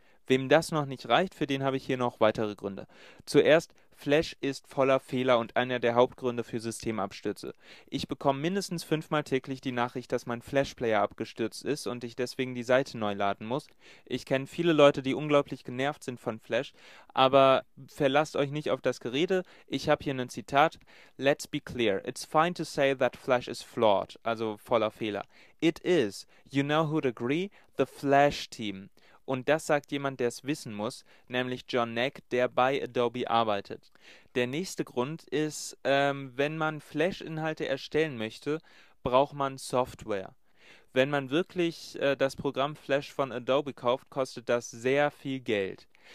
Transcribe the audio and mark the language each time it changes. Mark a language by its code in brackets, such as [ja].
[de] Wem das noch nicht reicht, für den habe ich hier noch weitere Gründe. Zuerst, Flash ist voller Fehler und einer der Hauptgründe für Systemabstürze. Ich bekomme mindestens fünfmal täglich die Nachricht, dass mein Flash-Player abgestürzt ist und ich deswegen die Seite neu laden muss. Ich kenne viele Leute, die unglaublich genervt sind von Flash, aber verlasst euch nicht auf das Gerede. Ich habe hier ein Zitat. [en] Let's be clear. It's fine to say that Flash is flawed, [de] also voller Fehler. [en] It is. You know who'd agree? The Flash-Team. [de] Und das sagt jemand, der es wissen muss, nämlich John Nack, der bei Adobe arbeitet. Der nächste Grund ist, wenn man Flash-Inhalte erstellen möchte, braucht man Software. Wenn man wirklich das Programm Flash von Adobe kauft, kostet das sehr viel Geld.